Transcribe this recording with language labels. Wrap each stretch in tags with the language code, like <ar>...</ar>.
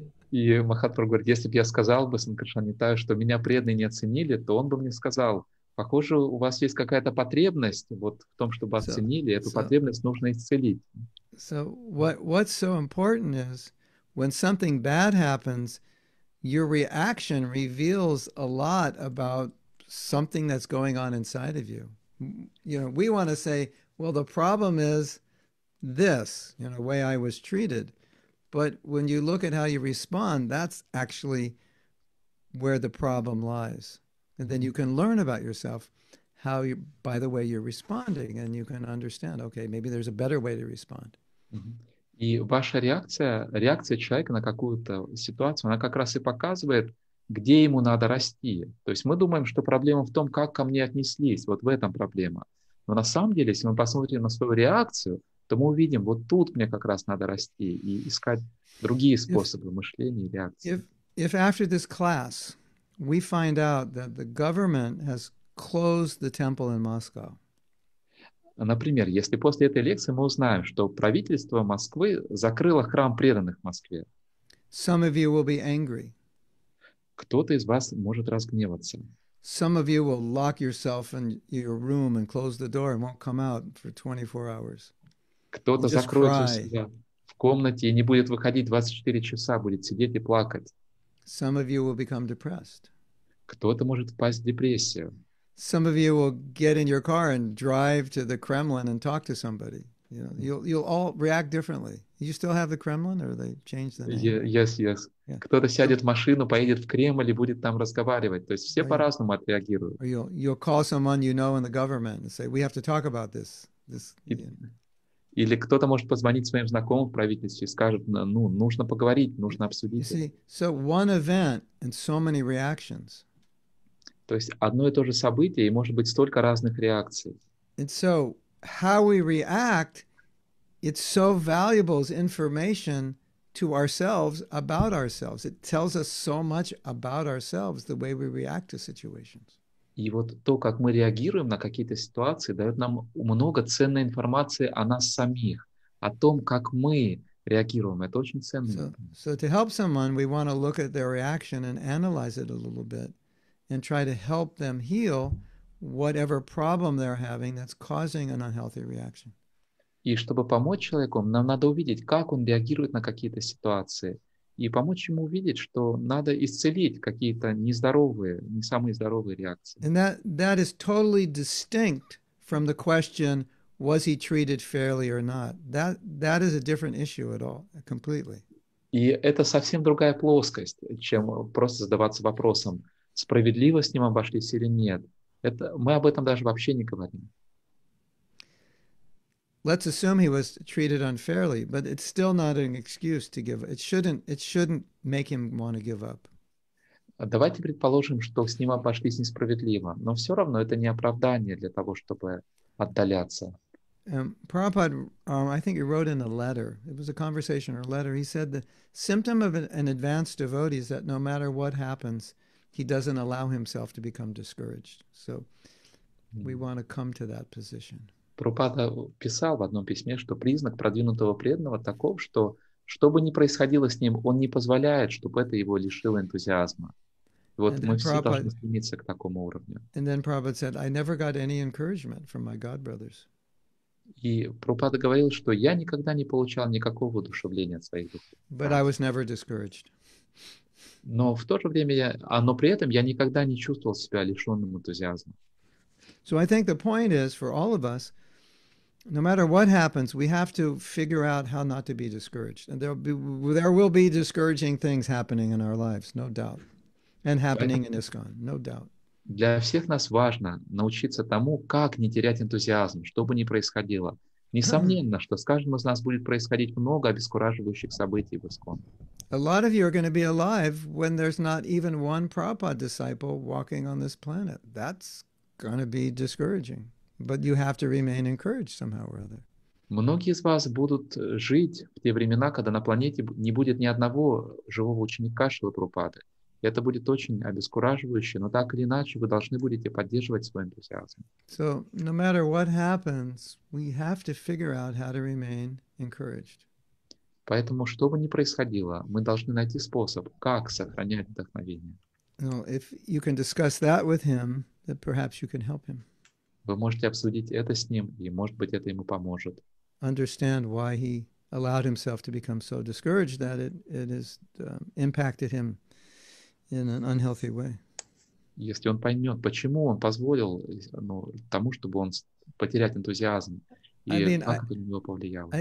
<ru>И Махатпрабху говорит, если бы я сказал бы Сангаршан Нитаю, что меня преданные не оценили, то он бы мне сказал, похоже, у вас есть какая-то потребность вот в том, чтобы оценили, эту потребность нужно исцелить.</ru> <en>So what's so important is when something bad happens, your reaction reveals a lot about something that's going on inside of you. You know, we want to say, well, the problem is this, you know, the way I was treated. But when you look at how you respond, that's actually where the problem lies. And then you can learn about yourself, how you, by the way you're responding, and you can understand, okay, maybe there's a better way to respond.</en> <ru>И ваша реакция человека на какую-то ситуацию, она как раз и показывает, где ему надо расти. То есть мы думаем, что проблема в том, как ко мне отнеслись, вот в этом проблема. Но на самом деле, если мы посмотрим на свою реакцию, то мы увидим, вот тут мне как раз надо расти и искать другие способы мышления и реакции.</ru> <en>If after this class we find out that the government has closed the temple in Moscow,</en> <ru>например, если после этой лекции мы узнаем, что правительство Москвы закрыло храм преданных в Москве,</ru> <en>some of you will be angry.</en> <ru>Кто-то из вас может разгневаться.</ru> <en>Some of you will lock yourself in your room and close the door and won't come out for 24 hours.</en> <ru>Кто-то закроется у себя в комнате и не будет выходить 24 часа, будет сидеть и плакать.</ru> <en>Some of you will become depressed.</en> <ru>Кто-то может впасть в депрессию.</ru> <en>Some of you will get in your car and drive to the Kremlin and talk to somebody. You know, you'll all react differently. You still have the Kremlin, or they changed the name? Yes. Yeah.</en> <ru>Кто-то сядет в машину, поедет в Кремль и будет там разговаривать. То есть все по-разному отреагируют.</ru> <en>Or you'll call someone you know in the government and say, we have to talk about this.</en> <ru>Или кто-то может позвонить своим знакомым в правительстве и скажет, ну, нужно поговорить, нужно обсудить.</ru> <en>See, so one event and so many reactions.</en> <ru>То есть одно и то же событие, и может быть столько разных реакций.</ru> <en>And so how we react, it's so valuable as information to ourselves about ourselves. It tells us so much about ourselves, the way we react to situations.</en> <ru>И вот то, как мы реагируем на какие-то ситуации, дает нам много ценной информации о нас самих, о том, как мы реагируем. Это очень ценно.</ru> <en>So to help someone, we want to look at their reaction and analyze it a little bit and try to help them heal whatever problem they're having that's causing an unhealthy reaction.</en> <ru>И чтобы помочь человеку, нам надо увидеть, как он реагирует на какие-то ситуации. И помочь ему увидеть, что надо исцелить какие-то нездоровые, не самые здоровые реакции.</ru> <en>And that is totally distinct from the question, was he treated fairly or not? That is a different issue at all, completely.</en> <ru>И это совсем другая плоскость, чем просто задаваться вопросом, справедливо с ним обошлись или нет. Это, мы об этом даже вообще не говорим.</ru> <en>Let's assume he was treated unfairly, but it's still not an excuse to give. It shouldn't make him want to give up.</en> <ru>Давайте предположим, что с ним обошлись несправедливо, но все равно это не оправдание для того, чтобы отдаляться.</ru> <en>Prabhupada, I think he wrote in a letter. It was a conversation or a letter. He said the symptom of an advanced devotee is that no matter what happens, he doesn't allow himself to become discouraged. So we want to come to that position.</en> <ru>Прабхупада писал в одном письме, что признак продвинутого преданного таков, что бы ни происходило с ним, он не позволяет, чтобы это его лишило энтузиазма. И вот мы все должны стремиться к такому уровню.</ru> <en>And then Prabhupada said, I never got any encouragement from my God brothers.</en> <ru>И Прабхупада говорил, что я никогда не получал никакого воодушевления от своих духов.</ru> <en>But I was never discouraged.</en> <ru>Но в то же время, но при этом я никогда не чувствовал себя лишенным энтузиазма.</ru> <en>So I think the point is for all of us, No matter what happens, we have to figure out how not to be discouraged. And there will be discouraging things happening in our lives, no doubt. And happening in ISKCON, no doubt.</en> <ru>Для всех нас важно научиться тому, как не терять энтузиазм, что бы ни происходило. Несомненно, что с каждым из нас будет происходить много обескураживающих событий в ISKCON.</ru> <en>A lot of you are going to be alive when there's not even one Prabhupada disciple walking on this planet. That's going to be discouraging. But you have to remain encouraged somehow or other.</en> <ru>Многие из вас будут жить в те времена, когда на планете не будет ни одного живого ученика Шрилы Прабхупады. Это будет очень обескураживающе, но так или иначе вы должны будете поддерживать свой энтузиазм.</ru> <en>So, no matter what happens, we have to figure out how to remain encouraged.</en> <ru>Поэтому, что бы ни происходило, мы должны найти способ, как сохранять вдохновение.</ru> <en>Now, if you can discuss that with him, then perhaps you can help him.</en> <ru>Вы можете обсудить это с ним, и, может быть, это ему поможет.</ru> <en>Understand why he allowed himself to become so discouraged that it has impacted him in an unhealthy way.</en> <ru>Если он поймет, почему он позволил тому, чтобы он потерять энтузиазм, и как это на него повлияло.</ru>